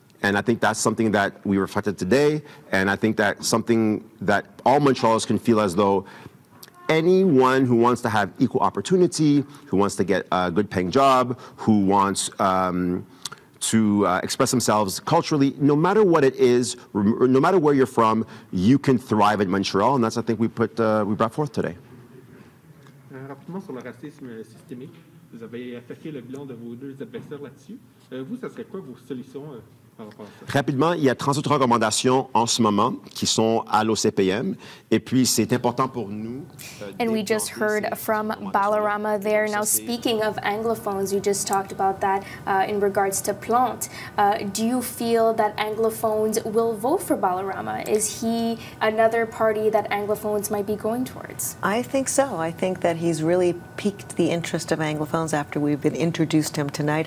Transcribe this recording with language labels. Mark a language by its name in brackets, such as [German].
[English] And I think that's something that we reflected today. And I think that something that all Montrealers can feel as though anyone who wants to have equal opportunity, who wants to get a good paying job, who wants to express themselves culturally, no matter what it is, no matter where you're from, you can thrive in Montreal, and that's, I think, we brought forth today. [French] Rapidement sur le racisme systémique, vous avez attaqué le bilan de vos deux adversaires là-dessus. Vous, ça serait quoi vos solutions? Rapidement, il y a 33 recommandations en ce moment qui sont à l'OCPM. Et puis, c'est important pour nous. [English] And we just heard from Balarama there. Now, speaking of Anglophones, you just talked about that in regards to Plante. Do you feel that Anglophones will vote for Balarama? Is he another party that Anglophones might be going towards? I think so. I think that he's really piqued the interest of Anglophones after we've been introduced him tonight.